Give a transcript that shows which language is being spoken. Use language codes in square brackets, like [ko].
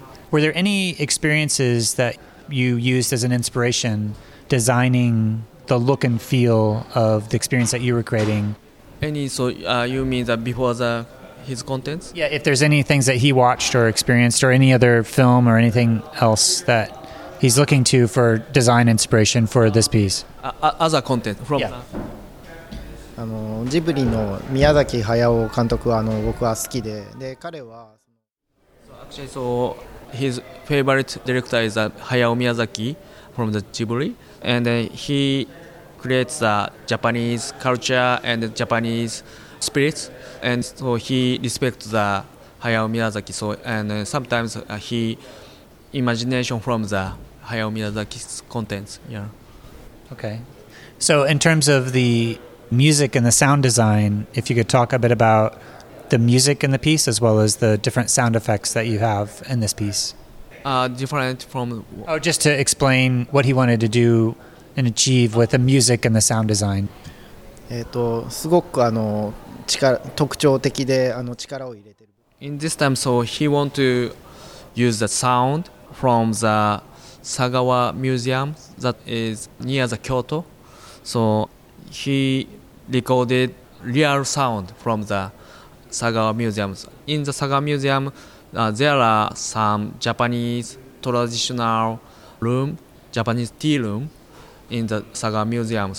[en] Were there any experiences that you used as an inspiration designing the look and feel of the experience that you were creating? Any, so you mean that before the his contents? Yeah, if there's any things that he watched or experienced or any other film or anything else that he's looking to for design inspiration for this piece. Other content from [ja] ジブリの宮崎駿監督は僕は好きで、で彼は [en] actually so his favorite director is Hayao Miyazaki from the Ghibli, and he creates the Japanese culture and the Japanese spirits, and so he respects the Hayao Miyazaki, so and sometimes he imagination from the Hayao Miyazaki's contents. Yeah. Okay. So in terms of the music and the sound design, if you could talk a bit about the music in the piece as well as the different sound effects that you have in this piece. Different from... Oh, just to explain what he wanted to do and achieve with the music and the sound design. [ja] すごく特徴的で力を入れてる。 [en] In this time, so he want to use the sound from the Sagawa Museum that is near the Kyoto. So he recorded real sound from the Sagawa Museum. In the Sagawa Museum, there are some Japanese traditional room, Japanese tea room in the Sagawa Museum.